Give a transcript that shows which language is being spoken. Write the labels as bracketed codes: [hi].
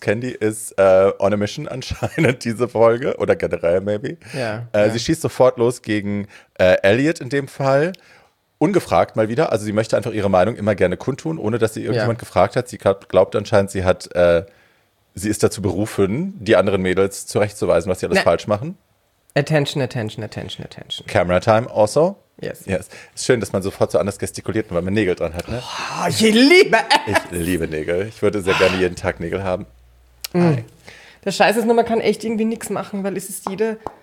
[de] Candy ist [en] on a mission [de] anscheinend diese Folge oder generell [en] maybe. [de] Ja. Sie schießt sofort los gegen Elliot in dem Fall. Ungefragt mal wieder, also sie möchte einfach ihre Meinung immer gerne kundtun, ohne dass sie irgendjemand gefragt hat. Sie glaubt anscheinend, sie ist dazu berufen, die anderen Mädels zurechtzuweisen, was sie alles falsch machen. [en] Attention, attention, attention, attention. Camera time also. Yes. Yes. [de] Ist schön, dass man sofort so anders gestikuliert, weil man Nägel dran hat, ne? Oh, ich liebe es. Ich liebe Nägel. Ich würde sehr gerne jeden Tag Nägel haben. Mm. Der Scheiß ist nur, man kann echt irgendwie nichts machen, weil es ist jede...